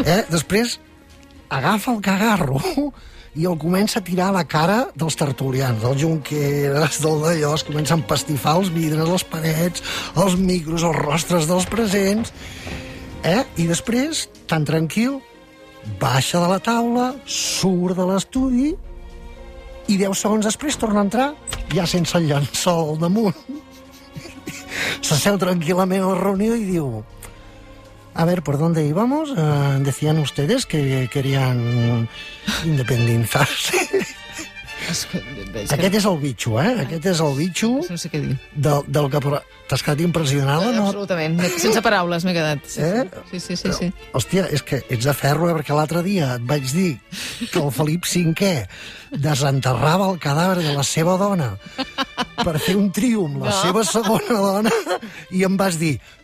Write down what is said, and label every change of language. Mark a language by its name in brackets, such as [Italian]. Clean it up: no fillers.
[Catalan] Després agafa el cagarro i el comença a tirar a la cara dels tertulians, dels Junqueras, del d'allò, es comença a empastifar els vidres, les parets, els micros, els rostres dels presents, i després, tan tranquil, baixa de la taula, surt de l'estudi i 10 segons després torna a entrar, ja sense el llençol al damunt. S'asseu tranquil·lament a la reunió i diu... [Spanish] A ver, ¿por dónde íbamos? Decían ustedes que querían independizarse. [Catalan] Aquest és el bitxo, Aquest és el bitxo... No sé què dir. Del que... T'has quedat impressionada, no? Absolutament. Sense paraules m'he quedat. Però, hòstia, és que ets de ferro, perquè l'altre dia et vaig dir que el Felip V desenterrava el cadàver de la seva dona per fer un triomf, la seva segona dona, i em vas dir...